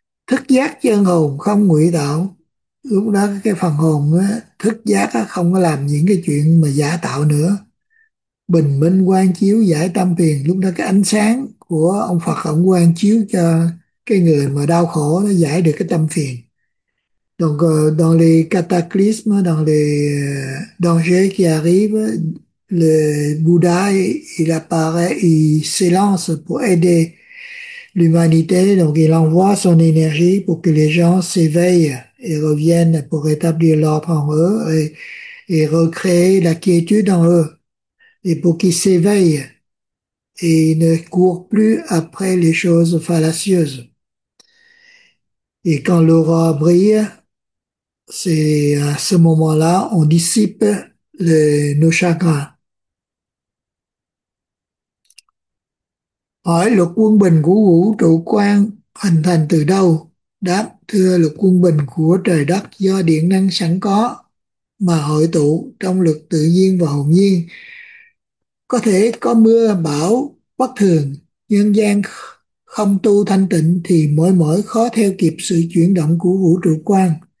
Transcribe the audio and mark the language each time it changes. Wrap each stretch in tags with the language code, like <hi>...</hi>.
<vi>Thức giác chân hồn không ngụy tạo, lúc đó cái phần hồn á, thức giác á, không có làm những cái chuyện mà giả tạo nữa, bình minh quang chiếu giải tâm phiền. Lúc đó cái ánh sáng của ông Phật ông quang chiếu cho cái người mà đau khổ nó giải được cái tâm phiền.</vi> <fr>Donc dans les cataclysmes, dans les dangers qui arrivent, le Bouddha il apparaît, il s'élance pour aider l'humanité. Donc il envoie son énergie pour que les gens s'éveillent et reviennent pour rétablir l'ordre en eux et recréer la quiétude en eux, et pour qu'ils s'éveillent et ne courent plus après les choses fallacieuses. Et quand l'aurore brille, c'est à ce moment-là on dissipe nos chagrins.</fr> <vi>Hỏi, luật quân bình của vũ trụ quan hình thành từ đâu? Đáp, thưa, luật quân bình của trời đất do điện năng sẵn có mà hội tụ trong luật tự nhiên và hồn nhiên. Có thể có mưa bão bất thường, nhân gian không tu thanh tịnh thì mỏi mỏi khó theo kịp sự chuyển động của vũ trụ quan.</vi>